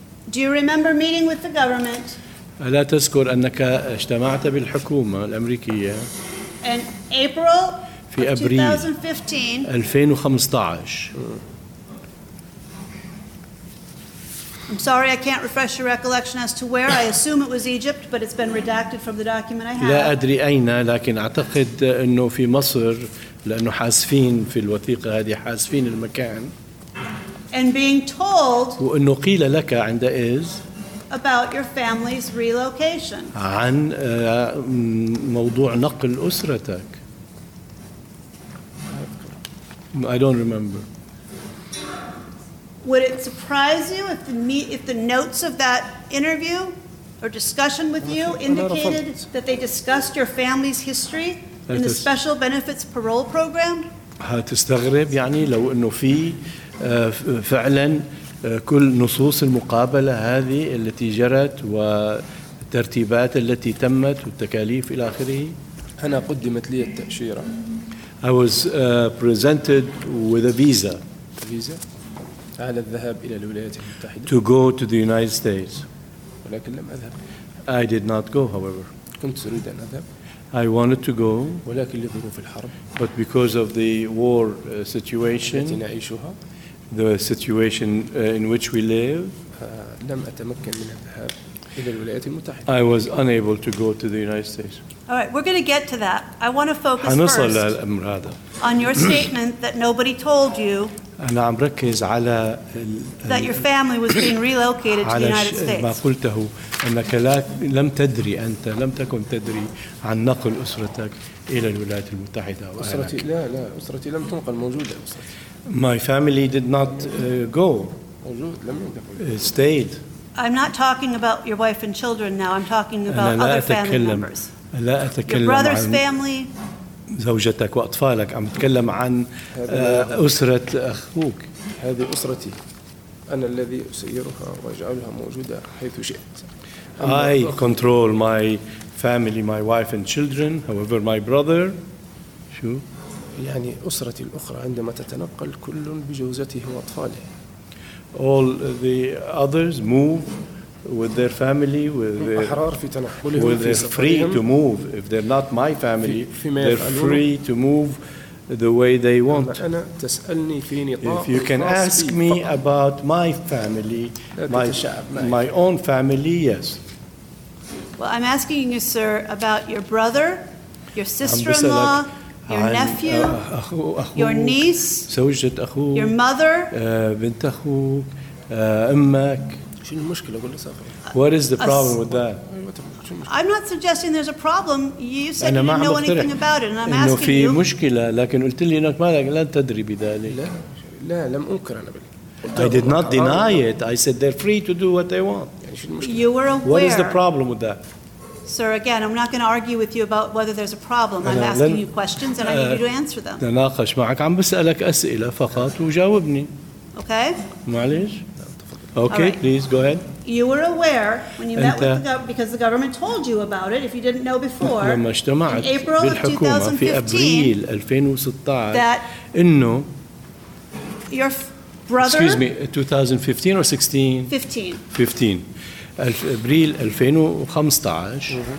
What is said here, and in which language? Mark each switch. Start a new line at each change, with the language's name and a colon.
English: Do you remember meeting with the government?
Arabic: ألا تذكر أنك اجتمعت بالحكومة الأمريكية؟
English: In April.
Arabic: في أبريل 2015.
English: I'm sorry, I can't refresh your recollection as to where. I assume it was Egypt, but it's been redacted from the document I have.
Arabic: لا أدري أين، لكن أعتقد إنه في مصر، لأنه حاسفين في الوثيقة هذه حاسفين المكان.
English: And being told.
Arabic: وإنه قيل لك عند إز.
English: About your family's relocation.
Arabic: عن موضوع نقل أسرتك.
English: I don't remember. Would it surprise you if the notes of that interview or discussion with you indicated that they discussed your family's history in the special benefits parole program?
Arabic: هتستغرب يعني لو إنه في فعلا كل نصوص المقابلة هذه التي جرت والترتيبات التي تمت والتكاليف إلى آخره. أنا قدمت لي التأشيرة.
English: I was presented with a visa. Visa?
Arabic: على الذهاب إلى الولايات المتحدة.
English: To go to the United States.
Arabic: ولكن لم أذهب.
English: I did not go, however.
Arabic: كنت أريد أن أذهب.
English: I wanted to go.
Arabic: ولكن لظروف الحرب.
English: But because of the war situation.
Arabic: التي نعيشها.
English: The situation in which we live.
Arabic: لم أتمكن من الذهاب إلى الولايات المتحدة.
English: I was unable to go to the United States. All right, we're going to get to that. I want to focus first on your statement that nobody told you that your family was being relocated to the United States.
Arabic: ما قلته أنك لم تدري أنت لم تكن تدري عن نقل أسرتك إلى الولايات المتحدة. أسرتي لا لا أسرتي لم تنقل موجودة أسرتي.
English: My family did not go. Stayed. I'm not talking about your wife and children now. I'm talking about other family members.
Arabic: لا أتكلم
English: your brother's
Arabic: عن
English: family.
Arabic: زوجتك وأطفالك. عم أتكلم عن أسرة أخوك. هذه أسرتي. أنا الذي أسيرها وأجعلها موجودة حيث شئت.
English: I control my family, my wife and children. However, my brother.
Arabic: شو؟ يعني أسرتي الأخرى عندما تتنقل كل بجوزته وأطفاله.
English: All the others move with their family, with their free to move. If they're not my family, they're free to move the way they want.
Arabic: أنا تسألني في نطاق
English: if you can ask me
Arabic: فقط.
English: About my family, my own family, yes. Well, I'm asking you, sir, about your brother, your sister-in-law, your nephew, your niece,
Arabic: زوجة أخوك,
English: your mother,
Arabic: بنت أخوك, أمك. شنو المشكلة أقول له سافر.
English: What is the problem with that? I'm not suggesting there's a problem. You said you didn't know anything about it, and I'm asking you.
Arabic: إنه في مشكلة لكن قلت لي إنك ما لن تدري بذلك. لا لم أنكر أنا بالله.
English: I did not deny it. I said they're free to do what they want. You were aware. What is the problem with that? Sir, again, I'm not going to argue with you about whether there's a problem. I'm asking you questions, and I need you to answer them.
Arabic: تناقش معك عم بسألك أسئلة فقط وجاوبني.
English: Okay.
Arabic: معليش.
English: Okay, right. Please go ahead. You were aware when you met with because the government told you about it. If you didn't know before,
Arabic: لما اجتمعت بالحكومة في أبريل 2016
English: that your brother. Excuse me, 2015 or 16? 15.
Arabic: 15. أبريل 2015.